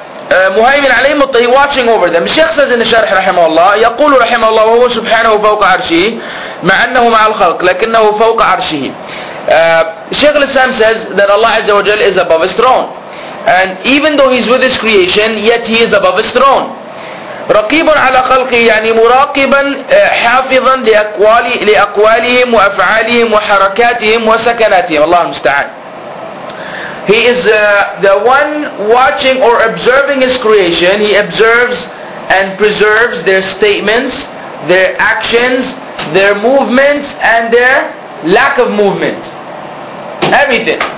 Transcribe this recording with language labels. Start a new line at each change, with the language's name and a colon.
Arabic: مهيمن عليهم مطهي,
English: watching over them.
Arabic: الشيخ
English: says in the
Arabic: شرح رحمه الله, يقول رحمه الله وهو سبحانه فوق عرشه مع أنه مع الخلق لكنه فوق عرشه.
English: الشيخ الإسلام says that Allah عز وجل is above His throne, and even though He's with His creation, yet He is above His throne.
Arabic: رقيب على خلقه يعني مراقبا حافظا لأقوالهم وأفعالهم وحركاتهم وسكناتهم. الله المستعان.
English: He is the one watching or observing His creation. He observes and preserves their statements, their actions, their movements, and their lack of movement. Everything.